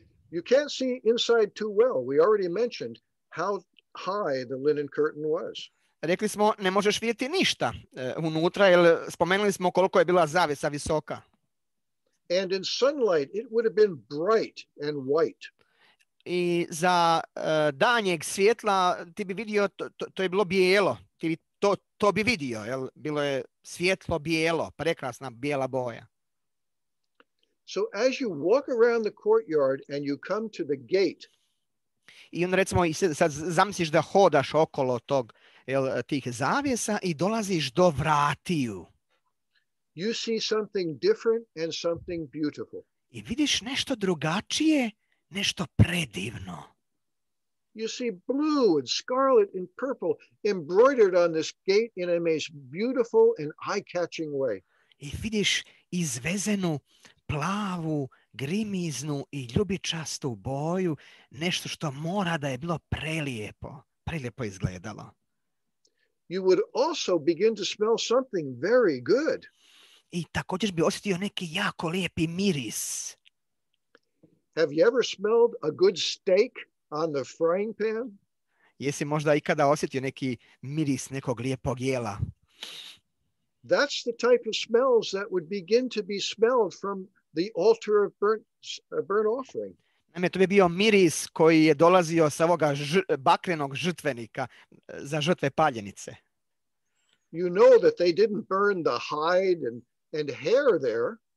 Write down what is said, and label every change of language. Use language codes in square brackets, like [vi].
[en] You can't see inside too well. We already mentioned how high the linen curtain was. [hr] Rekli smo, ne možeš vidjeti ništa unutra, jer spomenuli smo koliko je bila zavjesa visoka. [en] And in sunlight it would have been bright and white. [hr] I za danjeg svjetla ti bi vidio, to je bilo bijelo. Ti bi to bi vidio, jel? Bilo je svjetlo bijelo, prekrasna bijela boja. [en] So as you walk around the courtyard and you come to the gate. [hr] I onda recimo sad zamisliš da hodaš okolo tog, jel, tih zavjesa i dolaziš do vratiju. [en] You see something different and something beautiful. [hr] I vidiš nešto drugačije, nešto predivno. [en] You see blue and scarlet and purple embroidered on this gate in a most beautiful and eye-catching way. [hr] I vidiš izvezenu plavu, grimiznu i ljubičastu boju, nešto što mora da je bilo prelijepo, prelijepo izgledalo. [en] You would also begin to smell something very good. [hr] I također bi osjetio neki jako lijepi miris. [en] Have you ever smelled a good steak on the frying pan? [hr] Jesi možda ikada osjetio neki miris nekog lijepog jela? [en] That's the type of smells that would begin to be smelled from the altar of burnt offering. [hr] Naime, to bi bio miris koji je dolazio sa ovoga bakrenog žrtvenika za žrtve paljenice. [en] You know that they didn't burn the hide and hair there.